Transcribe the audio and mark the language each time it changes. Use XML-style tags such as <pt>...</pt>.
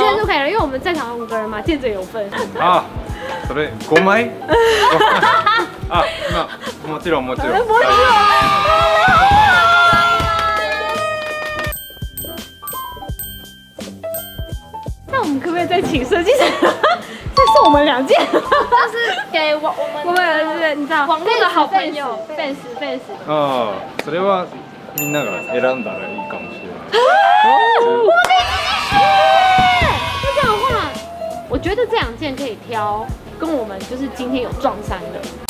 <zh>5件就可以了，因为我们在场有5个人嘛，见者有份。啊，所以五枚。</zh> <ja>啊，那もちろんもちろん。もちろん。</ja> <zh>那我们可不可以再请设计师？再送我们两件，就是给我们对，你知道网络的好朋友</zh> <en>fans。</en> <ja>啊，それはみんなが選んだらいいかもしれない。</ja> <zh>我被支持。那这样的话，我觉得这两件可以挑，跟我们就是今天有撞衫的。</zh>